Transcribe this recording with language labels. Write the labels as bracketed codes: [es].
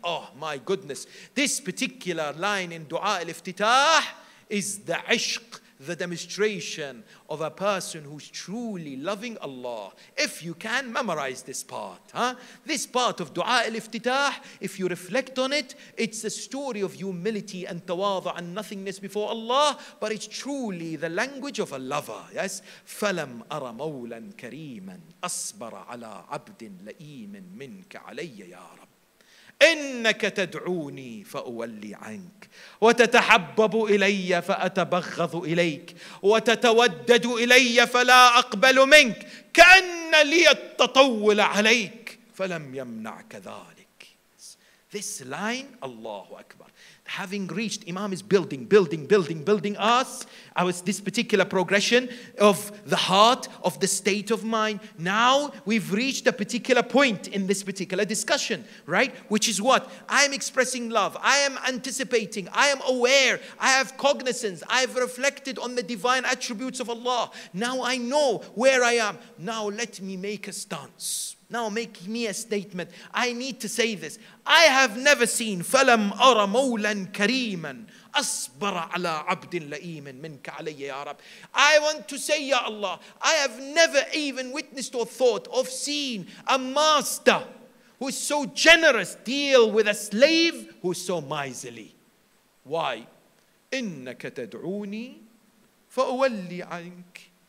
[en] Oh my goodness. This particular line in dua al-iftitah is the ishq, the demonstration of a person who's truly loving Allah. If you can memorize this part, huh? This part of dua al-iftitah, if you reflect on it, it's a story of humility and tawadu and nothingness before Allah, but it's truly the language of a lover. Yes? [ar] فَلَمْ أَرَ مَوْلًا كَرِيمًا أَصْبَرَ عَلَىٰ عَبْدٍ لَئِيمٍ مِنْكَ عَلَيَّ يَا رَبِّ إنك تدعوني فأولي عنك وتتحبب إلي فأتبغض إليك وتتودد إلي فلا أقبل منك كأن لي التطول عليك فلم يمنعك ذلك. [en] This line, Allahu Akbar. Having reached, Imam is building us. This particular progression of the heart, of the state of mind. Now we've reached a particular point in this particular discussion, right? Which is what? I am expressing love. I am anticipating. I am aware. I have cognizance. I have reflected on the divine attributes of Allah. Now I know where I am. Now let me make a stance. Now make me a statement. I need to say this. I have never seen [ar] فَلَمْ أَرَ مَوْلًا كَرِيمًا أَصْبَرَ عَلَىٰ عَبْدٍ لَئِيمٍ مِنْكَ عَلَيَّ يَا رَبِّ. [en] I want to say, Ya Allah, I have never even witnessed or thought of seeing a master who is so generous deal with a slave who is so miserly. Why? [ar] إِنَّكَ تَدْعُونِي فَأُوَلِّي عَنْكَ.